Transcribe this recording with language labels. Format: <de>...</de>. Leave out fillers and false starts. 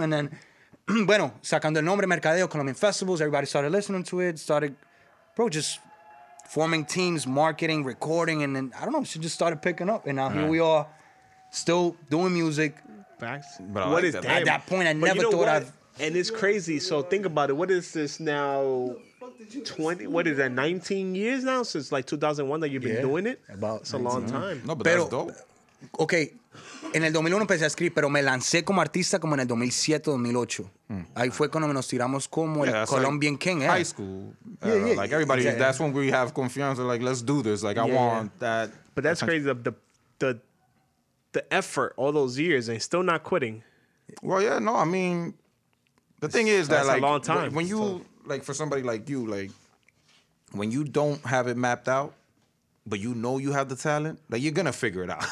<en>And then,</en> <es>bueno, sacando el nombre Mercadeo,</es> <en>Colombian Festivals, everybody started listening to it, started, bro, just forming teams, marketing, recording, and then, I don't know, she just started picking up. And now here we are, still doing music. Facts. But what like is that? At that point, I but never thought I'd... And it's crazy, so think about it. What is this now, 20, what is that, 19 years now? Since, like, 2001 that you've been doing it? About it's a long time. No, but that's dope.</en> <es>Okay, en el 2001 empecé a escribir, pero me lancé como artista como en el 2007-2008. Ahí fue cuando nos tiramos como el Colombian</es> <en>like King. High school. Yeah. Like, everybody, that's when we have confianza, like, let's do this. Like, I want that. But that's crazy, the effort all those years, and still not quitting. Well, yeah, no, I mean, the thing is that's like, a long time. When you, like, for somebody like you, like, when you don't have it mapped out, but you know you have the talent, like, you're going to figure it out.</en>